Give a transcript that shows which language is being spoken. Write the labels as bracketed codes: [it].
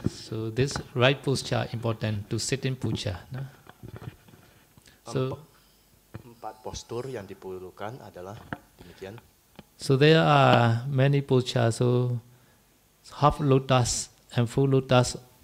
[en] So this right posture important to sitting posture. No? [id] So empat postur yang diperlukan adalah demikian. [en] So there are many posture. So half lotus and full lotus.